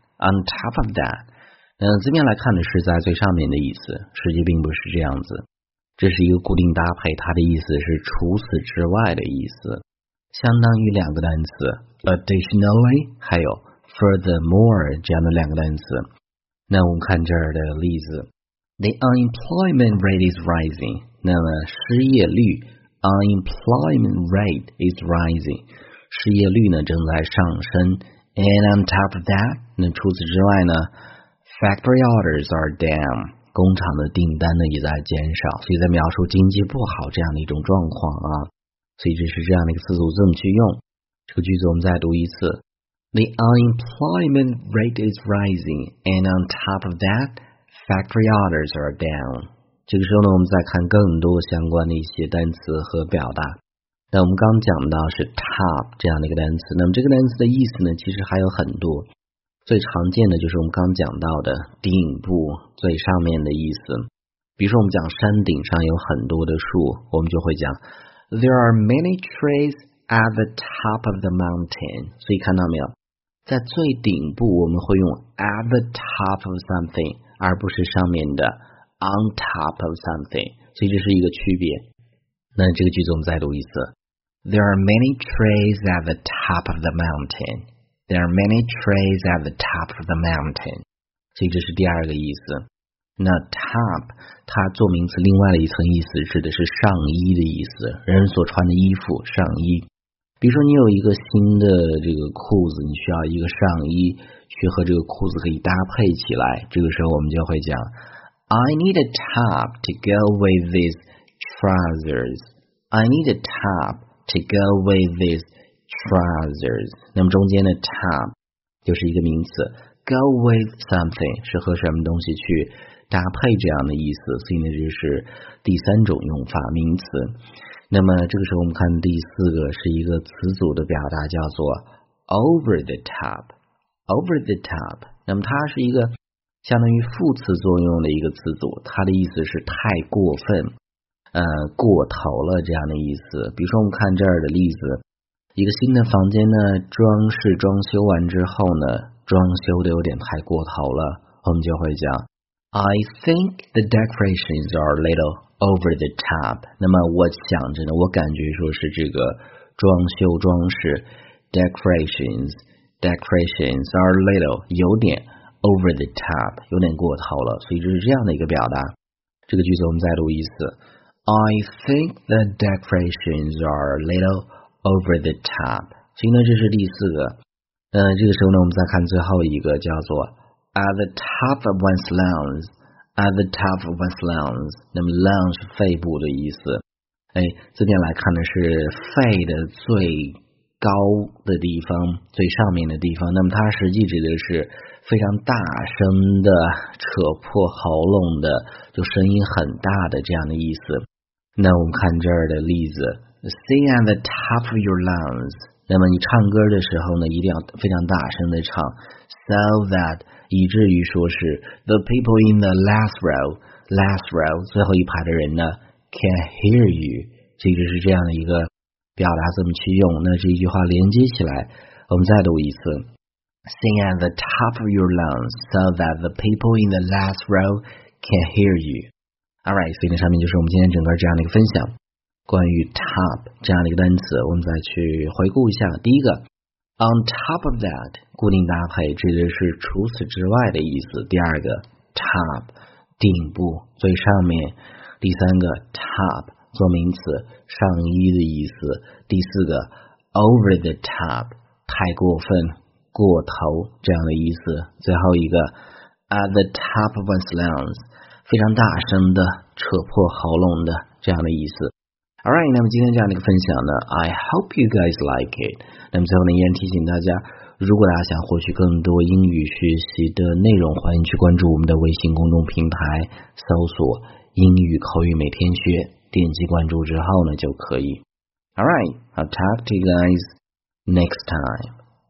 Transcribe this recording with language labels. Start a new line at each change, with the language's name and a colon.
English: on top of that，
Chinese: 这边来看的是在最上面的意思，实际并不是这样子。这是一个固定搭配，它的意思是除此之外的意思，相当于两个单词 additionally 还有 furthermore 这样的两个单词。那我们看这儿的例子。
English: The unemployment rate is rising.
Chinese: 那么失业率
English: unemployment rate is rising.
Chinese: 失业率呢正在上升。
English: And on top of that,
Chinese: 那除此之外呢
English: factory orders are down.
Chinese: 工厂的订单呢也在减少，所以在描述经济不好这样的一种状况啊。所以这是这样的一个词组，这么去用。这个句子我们再读一次。
English: The unemployment rate is rising. And on top of that,Factory orders are down.
Chinese: 这个时候呢，我们再看更多相关的一些单词和表达。那我们刚讲到是 top 这样的一个单词，那么这个单词的意思呢，其实还有很多。最常见的就是我们刚讲到的顶部，最上面的意思。比如说我们讲山顶上有很多的树，我们就会讲
English: There are many trees at the top of the mountain.
Chinese: 所以看到没有，在最顶部我们会用
English: at the top of something，
Chinese: 而不是上面的
English: on top of something，
Chinese: 所以这是一个区别。那这个句子我们再读一次。
English: There are many trees at the top of the mountain. There are many trees at the top of the mountain.
Chinese: 所以这是第二个意思。那 top 它做名词另外的一层意思指的是上衣的意思，人所穿的衣服，上衣。比如说你有一个新的这个裤子，你需要一个上衣去和这个裤子可以搭配起来，这个时候我们就会讲
English: I need a top to go with these trousers. I need a top to go with these trousers.
Chinese: 那么中间的 top 就是一个名词，
English: go with something
Chinese: 是和什么东西去搭配这样的意思，所以呢这是第三种用法，名词。那么这个时候我们看第四个是一个词组的表达，叫做
English: over the top。 over the top，
Chinese: 那么它是一个相当于副词作用的一个词组，它的意思是太过分，过头了这样的意思。比如说我们看这儿的例子，一个新的房间呢装饰装修完之后呢，装修的有点太过头了，我们就会讲
English: I think the decorations are a little over the top。
Chinese: 那么我想着呢，我感觉说是这个装修装饰
English: decorations are a little
Chinese: 有点
English: over the top，
Chinese: 有点过头了，所以这是这样的一个表达。这个句子我们再读一次。
English: I think the decorations are a little over the top。
Chinese: 所以呢这是第四个。这个时候呢我们再看最后一个，叫做
English: at the top of one's lungsAt the top of one's lungs，
Chinese: 那么 lungs 是肺部的意思。哎，字面来看呢是肺的最高的地方，最上面的地方。那么它实际指的是非常大声的扯破喉咙的，就声音很大的这样的意思。那我们看这儿的例子 ，
English: Sing at the top of your lungs。
Chinese: 那么你唱歌的时候呢，一定要非常大声的唱 ，
English: so that。
Chinese: 以至于说是
English: the people in the last row
Chinese: 最后一排的人呢
English: can hear you，
Chinese: 所以这是这样的一个表达，怎么去用。那这一句话连接起来，我们再读一次。
English: Sing at the top of your lungs so that the people in the last row can hear you. Alright，
Chinese: 所以那上面就是我们今天整个这样的一个分享，关于 top 这样的一个单词，我们再去回顾一下。第一个
English: On top of that，
Chinese: 固定搭配指的是除此之外的意思。第二个 top， 顶部，最上面。第三个 top， 做名词，上衣的意思。第四个
English: over the top，
Chinese: 太过分，过头这样的意思。最后一个
English: at the top of one's lungs，
Chinese: 非常大声的，扯破喉咙的这样的意思。
English: Alright，
Chinese: 那么今天这样的一个分享呢 ，
English: I hope you guys like it。
Chinese: 那么最后呢，依然提醒大家，如果大家想获取更多英语学习的内容，欢迎去关注我们的微信公众平台，搜索“英语口语每天学”，点击关注之后呢，就可以。
English: Alright， I'll talk to you guys next time.